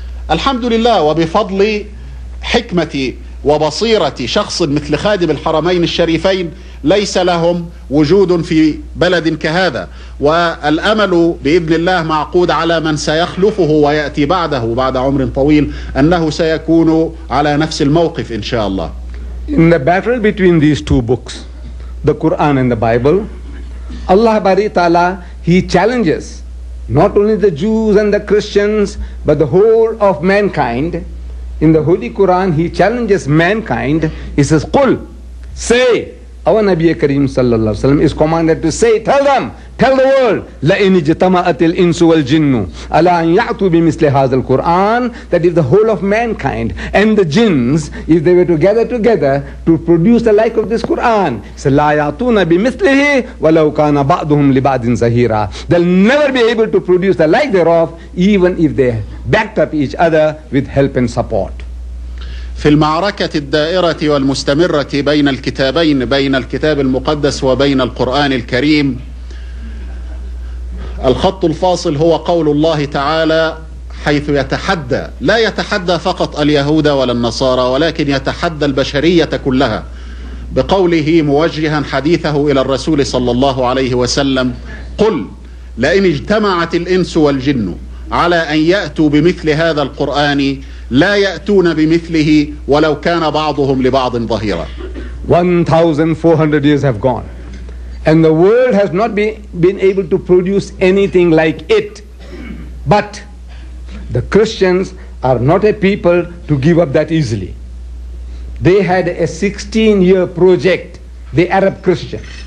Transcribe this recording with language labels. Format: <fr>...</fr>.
<ar>الحمد لله وبفضل حكمة وبصيرة شخص مثل خادم الحرمين الشريفين ليس لهم وجود في بلد كهذا، والأمل بإذن الله معقود على من سيخلفه ويأتي بعده بعد عمر طويل أنه سيكون على نفس الموقف إن شاء الله.</ar> <en>In the battle between these two books, the Quran and the Bible, Allah Bari Ta'ala, he challenges not only the Jews and the Christians but the whole of mankind. In the Holy Quran he challenges mankind. He says, قل, say, our Nabi Kareem sallallahu alaihi wasallam is commanded to say, tell the world,</en> <ar>لَإِنِ جِتَمَأَتِ الْإِنسُ وَالْجِنُّ أَلَا أَنْ يَعْتُوا بِمِثْلِ هَذَا الْقُرْآنِ,</ar> <en>that if the whole of mankind and the jinns, if they were to gather together to produce the like of this Quran,</en> <ar>لَا يَعْتُونَ بِمِثْلِهِ وَلَوْ كَانَ بَعْضُهُمْ لِبَعْضٍ زَهِيرًا,</ar> <en>they'll never be able to produce the like thereof even if they backed up each other with help and support.</en> <ar>في المعركة الدائرة والمستمرة بين الكتابين, بين الكتاب المقدس وبين القرآن الكريم, الخط الفاصل هو قول الله تعالى حيث يتحدى, لا يتحدى فقط اليهود ولا النصارى ولكن يتحدى البشرية كلها بقوله موجها حديثه إلى الرسول صلى الله عليه وسلم, قل لئن اجتمعت الإنس والجن على أن يأتوا بمثل هذا القرآن لا يأتون بمثله ولو كان بعضهم لبعض ظهيرا.</ar> <en>1400 years have gone and the world has not been able to produce anything like it, but the Christians are not a people to give up that easily. They had a 16-year project, the Arab Christians.</en>